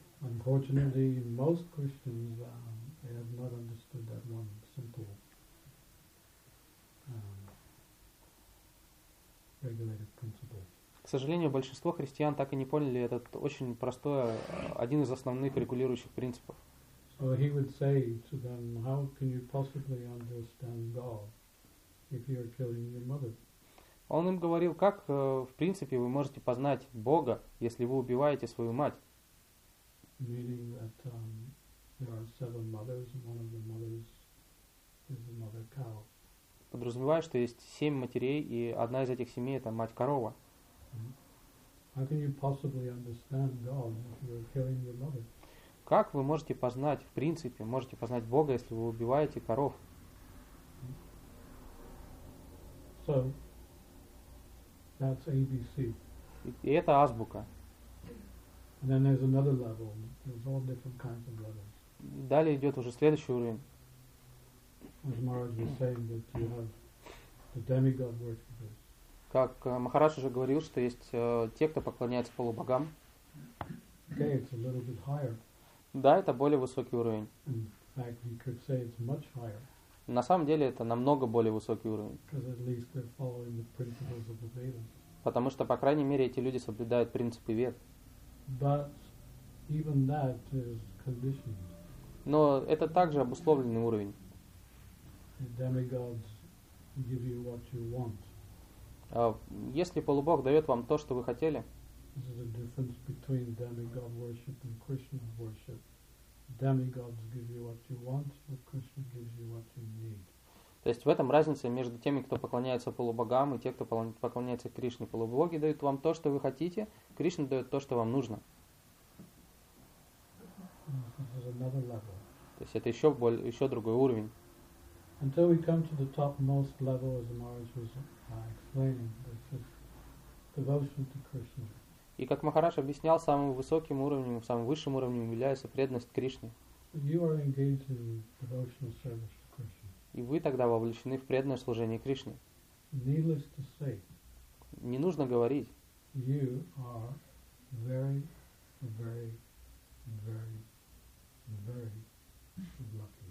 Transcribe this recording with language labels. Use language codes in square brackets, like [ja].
[en] Unfortunately, most Christians they have not understood that one simple regulated principle. [ru] К сожалению, большинство христиан так и не поняли этот очень простой, один из основных регулирующих принципов. [en] So he would say to them, how can you possibly understand God if you are killing your mother? [ru] Он им говорил, как, в принципе, вы можете познать Бога, если вы убиваете свою мать? [en] Meaning that there are seven mothers, and one of the mothers is the mother cow. [ru] Подразумевая, что есть семь матерей, и одна из этих семей – это мать-корова. [en] How can you possibly understand God if you are killing your mother? [ru] Как вы можете познать, в принципе, можете познать Бога, если вы убиваете коров? [en] So, That's ABC. [ru] И это азбука. [en] And then there's another level. There's all different kinds of levels. [ru] Далее идет уже следующий уровень. [en] As Maharaj was saying that you have the demigod worshipers. [ru] Как Махарадж уже говорил, что есть те, кто поклоняется полубогам. [en] Okay, it's a little bit higher. [ru] Да, это более высокий уровень. [en] In fact, you could say it's much higher. [ru] На самом деле это намного более высокий уровень. [en] Because at least they're following the principles of the Vedas. [ru] Потому что, по крайней мере, эти люди соблюдают принципы Вед. [en] But even that is conditioned. [ru] Но это также обусловленный уровень. [en] Demigods give you what you want. [ru] Если полубог дает вам то, что вы хотели, [en] this is the difference between demigod worship and Krishna worship. Demigods give you what you want, but Krishna gives you what you need. [ru] То есть в этом разница между теми, кто поклоняется полубогам, и те, кто поклоняется Кришне. Полубоги дают вам то, что вы хотите, Кришна дает то, что вам нужно. [en] This is another level. [ru] То есть это еще, еще другой уровень. [en] Until we come to the topmost level, as Maharaj was explaining, this is devotion to Krishna. [ru] И как Махарадж объяснял, самым высоким уровнем, самым высшим уровнем является преданность Кришне. [en] You are engaged in devotional service. [ru] И вы тогда вовлечены в преданное служение Кришне. [en] Needless to say, [ru] не нужно говорить. [en] You are very, very, very, very lucky.